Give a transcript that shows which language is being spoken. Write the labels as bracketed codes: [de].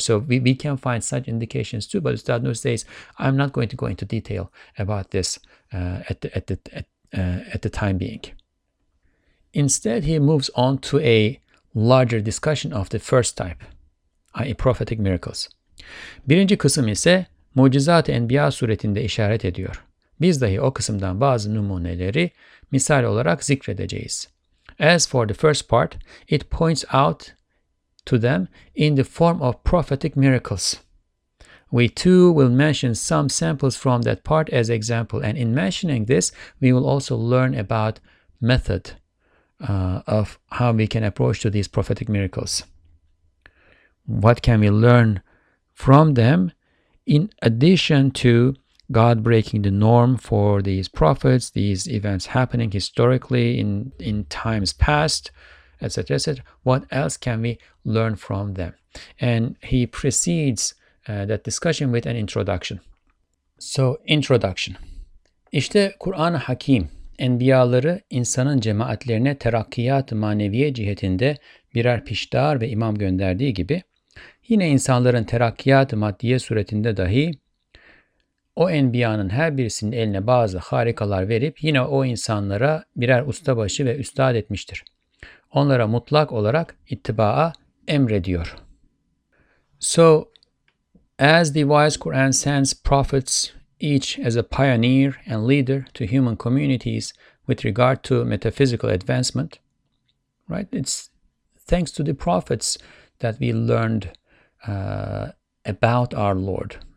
[en] So we can find such indications too, but Ustad Nur says, I'm not going to go into detail about this at the time being. Instead, he moves on to a larger discussion of the first type, i.e. prophetic miracles. [tr] Birinci kısım ise mucizat-ı enbiya suretinde işaret ediyor. Biz dahi o kısımdan bazı numuneleri misal olarak zikredeceğiz. [en] As for the first part, it points out to them in the form of prophetic miracles. We too will mention some samples from that part as example. And in mentioning this, we will also learn about method of how we can approach to these prophetic miracles. What can we learn from them in addition to God breaking the norm for these prophets, these events happening historically in times past, etc., etc. What else can we learn from them? And he precedes that discussion with an introduction. So, introduction. [tr] İşte Kur'an-ı Hakim, enbiyaları insanın cemaatlerine terakkiyat-ı maneviye cihetinde birer piştar ve imam gönderdiği gibi, yine insanların terakkiyat-ı maddiye suretinde dahi o enbiyanın her birisinin eline bazı harikalar verip yine o insanlara birer ustabaşı ve üstad etmiştir. Onlara mutlak olarak ittiba'a emrediyor. [en] So, as the wise Quran sends prophets, each as a pioneer and leader to human communities with regard to metaphysical advancement, right? It's thanks to the prophets that we learned about our Lord.